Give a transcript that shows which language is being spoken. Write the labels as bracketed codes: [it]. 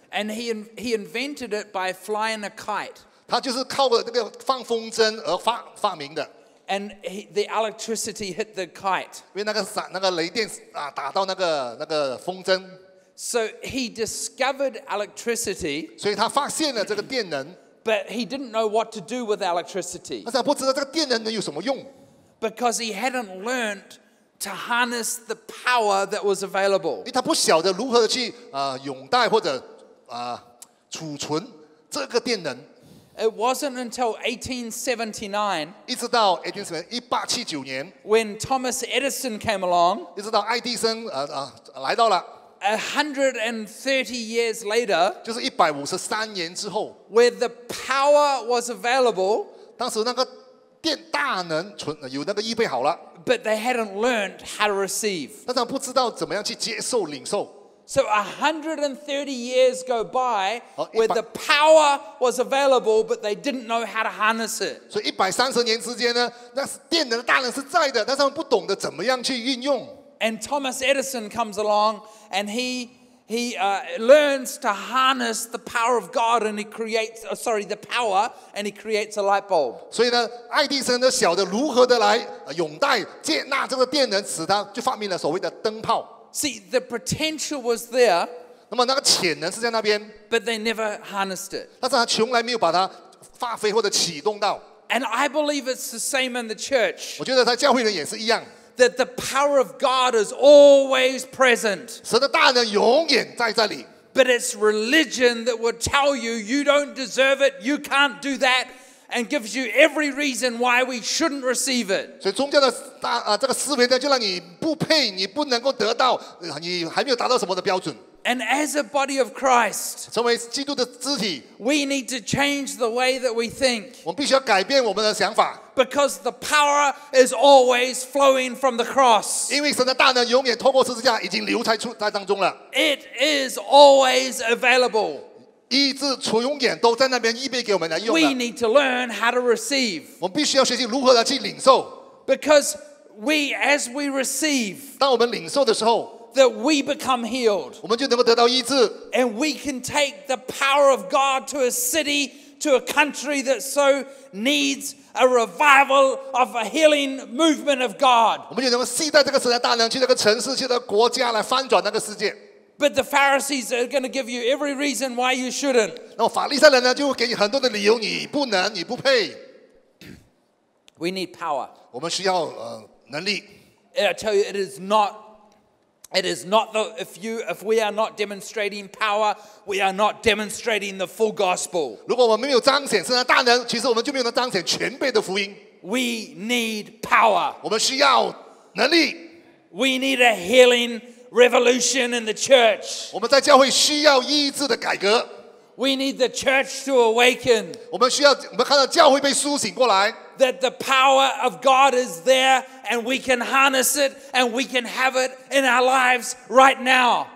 [en] And he invented it by flying a kite. [zh] 他就是靠那个放风筝而发明的。 [en] And the electricity hit the kite. [zh] 因为那个雷电啊打到那个风筝。 [en] So he discovered electricity. [zh] 所以他发现了这个电能。 [en] But he didn't know what to do with electricity. [zh] 但是他不知道这个电能能有什么用。 [en] Because he hadn't learned. To harness the power that was available. [zh] 因为他不晓得如何去拥戴或者储存这个电能。 [en] It wasn't until 1879. [zh] 一直到1879年。 [en] When Thomas Edison came along. [zh] 一直到爱迪生来到了。 [en] 130 years later. [zh] 就是153年之后。 [en] Where the power was available. [zh] 当时那个电大能存有那个预备好了。 [en] But they hadn't learned how to receive. [zh] 但他不知道怎么样去接受领受。 [en] So 130 years go by where the power was available, but they didn't know how to harness it. [zh] 所以130年之间呢，那电能的大能是在的，但是他们不懂得怎么样去运用。 [en] And Thomas Edison comes along, and he learns to harness the power of God, and he creates a light bulb. [zh] 所以呢，爱迪生呢晓得如何的来拥戴接纳这个电能，使他就发明了所谓的灯泡。 [en] See, the potential was there. [zh] 那么那个潜能是在那边。 [en] But they never harnessed it. [zh] 但是他从来没有把它发挥或者启动到。 [en] And I believe it's the same in the church. [zh] 我觉得在教会人也是一样。 [en] That the power of God is always present. [zh] 神的大能永远在这里。 [en] But it's religion that would tell you you don't deserve it, you can't do that, and gives you every reason why we shouldn't receive it. [zh] 所以宗教的这个思维呢，就让你不配，你不能够得到，你还没有达到什么的标准。 [en] And as a body of Christ, [zh] 成为基督的肢体, [en] we need to change the way that we think. [zh] 我们必须要改变我们的想法。 [en] Because the power is always flowing from the cross. [zh] 因为神的大能永远透过十字架已经流在出在当中了。 [en] It is always available. [zh] 医治从永远都在那边预备给我们来用的。 [en] We need to learn how to receive. [zh] 我们必须要学习如何来去领受。 [en] Because we, as we receive, [zh] 当我们领受的时候。 [en] That we become healed. [zh] 我们就能够得到医治。 [en] And we can take the power of God to a city, to a country that so needs a revival of a healing movement of God. [zh] 我们就能够携带这个神的大能去这个城市，去这个国家来翻转那个世界。 [en] But the Pharisees are going to give you every reason why you shouldn't. [zh] 那么法利赛人呢，就会给你很多的理由，你不能，你不配。 [en] We need power. [zh] 我们需要能力。 [en] I tell you, it is not the if we are not demonstrating power, we are not demonstrating the full gospel. [zh] 如果我们没有彰显神的大能，其实我们就没有能彰显全备的福音。 [en] We need power. [zh] 我们需要能力。 [en] We need a healing revolution in the church. [zh] 我们在教会需要医治的改革。 [en] We need the church to awaken. [zh] 我们看到教会被苏醒过来。 [en] That the power of God is there, and we can harness it, and we can have it in our lives right now.